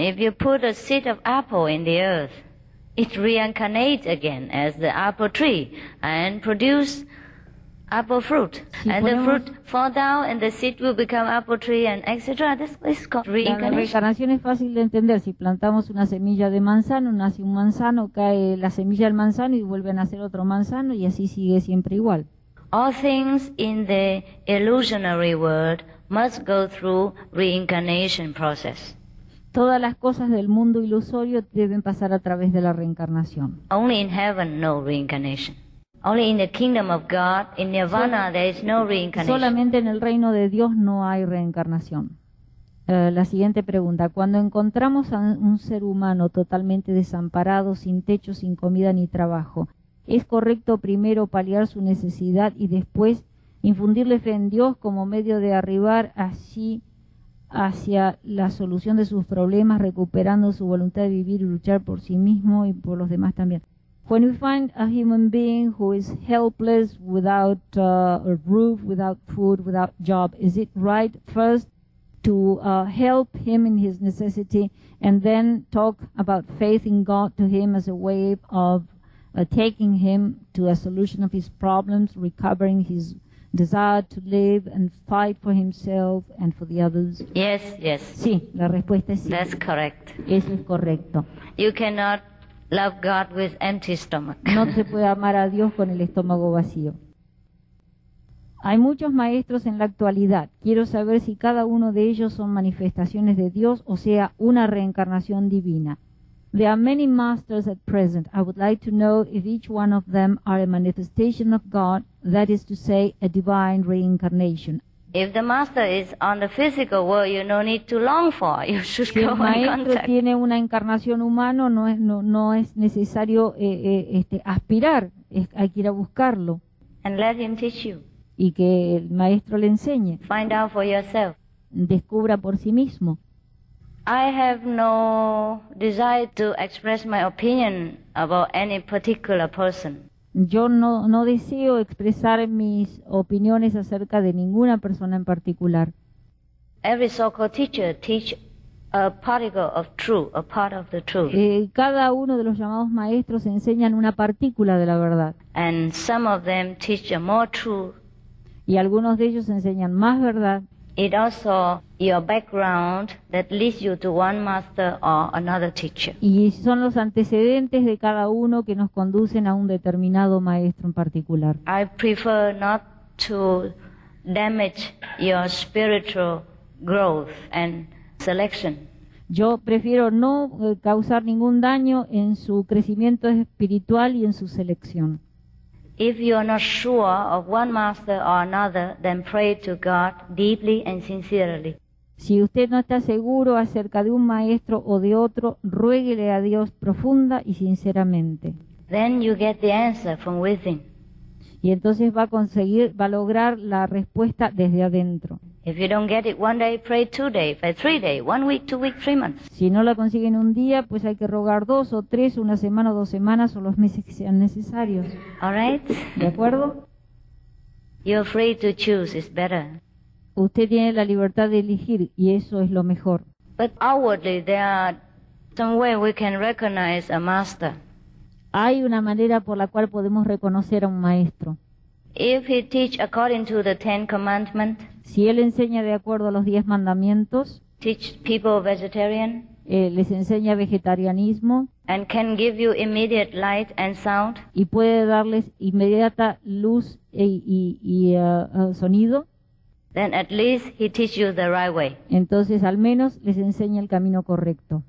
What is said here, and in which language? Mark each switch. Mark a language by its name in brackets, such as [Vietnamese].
[English] If you put a seed of apple in the earth, it reincarnates again as the apple tree and produce apple fruit. And the fruit fall down and the seed will become apple tree and etc. This is called reincarnation. [Spanish] La reencarnación es fácil de entender. Si plantamos una semilla de manzano, nace un manzano, cae la semilla del manzano y vuelve a nacer otro manzano y así sigue siempre igual. [English] All things in the illusionary world must go through reincarnation process. [Spanish] Todas las cosas del mundo ilusorio deben pasar a través de la reencarnación. [English] Only in heaven no reincarnation. Only in the kingdom of God, in Nirvana, there is no reincarnation. [Spanish] Solamente en el reino de Dios no hay reencarnación. La siguiente pregunta. Cuando encontramos a un ser humano totalmente desamparado, sin techo, sin comida ni trabajo, ¿es correcto primero paliar su necesidad y después infundirle fe en Dios como medio de arribar así hacia la solución de sus problemas, recuperando su voluntad de vivir y luchar por sí mismo y por los demás también? [English] When we find a human being who is helpless, without a roof, without food, without job, is it right first to help him in his necessity and then talk about faith in God to him as a way of taking him to a solution of his problems, recovering his desire to live and fight for himself and for the others? Yes, yes. [Spanish] Sí, la respuesta es sí. [English] That's correct. [Spanish] Eso es correcto. [English] You cannot love God with empty stomach. [Spanish] No se puede amar a Dios con el estómago vacío. Hay muchos maestros en la actualidad. Quiero saber si cada uno de ellos son manifestaciones de Dios, o sea, una reencarnación divina. [English] There are many masters at present. I would like to know if each one of them are a manifestation of God, that is to say, a divine reincarnation. If the master is on the physical world, you no need to long for. You should go in contact. [Spanish] Si el maestro tiene una encarnación humana, no es necesario aspirar. Hay que ir a buscarlo. [English] And let him teach you. [Spanish] Y que el maestro le enseñe. [English] Find out for yourself. [Spanish] Descubra por sí mismo. [English] I have no desire to express my opinion about any particular person. [Spanish] Yo no deseo expresar mis opiniones acerca de ninguna persona en particular. [English] Every so-called teacher teach a particle of truth, a part of the truth. [Spanish] Cada uno de los llamados maestros enseñan una partícula de la verdad. [English] And some of them teach a more truth. [Spanish] Y algunos de ellos enseñan más verdad. [English] It also your background that leads you to one master or another teacher. [Spanish] Y son los antecedentes de cada uno que nos conducen a un determinado maestro en particular. [English] I prefer not to damage your spiritual growth and selection. [Spanish] Yo prefiero no causar ningún daño en su crecimiento espiritual y en su selección. [English] If you are not sure of one master or another, then pray to God deeply and sincerely. [Spanish] Si usted no está seguro acerca de un maestro o de otro, ruéguele a Dios profunda y sinceramente. [English] Then you get the answer from within. [Spanish] Y entonces va a lograr la respuesta desde adentro. [English] If you don't get it one day, pray 2 days, pray 3 days, 1 week, 2 weeks, 3 months. [Spanish] Si no la consiguen un día, pues hay que rogar 2 o 3, una semana o 2 semanas o los meses que sean necesarios. [English] All right. [Spanish] ¿De acuerdo? [English] You're free to choose, it's better. [Spanish] Usted tiene la libertad de elegir y eso es lo mejor. [English] But outwardly there are some way we can recognize a master. [Spanish] Hay una manera por la cual podemos reconocer a un maestro. [English] If he teach according to the Ten Commandments, [Spanish] si él enseña de acuerdo a los 10 mandamientos, [English] teach people vegetarian, [Spanish] les enseña vegetarianismo, [English] and can give you immediate light and sound, [Spanish] y puede darles inmediata luz y sonido, [English] then at least he teach you the right way. [Spanish] Entonces al menos les enseña el camino correcto.